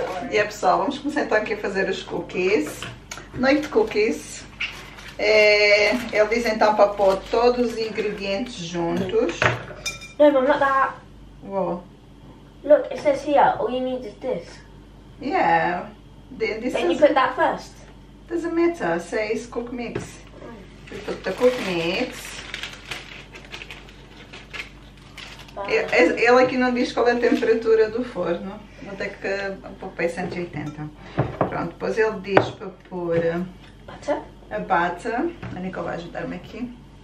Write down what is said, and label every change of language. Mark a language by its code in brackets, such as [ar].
[pt] E aí, pessoal, vamos começar então aqui a fazer os cookies. Noite cookies. Ele diz então para pôr todos os ingredientes juntos. [en] No, mom, not that. Whoa. Look, it says here, all you need is this. Yeah. Then you put that first. Doesn't matter, it says cook mix. We put the cook mix. [pt] Ele aqui não diz qual é a temperatura do forno. Vou ter que pôr para 180. Pronto, depois ele diz para pôr a bata. A Nicole vai ajudar-me aqui.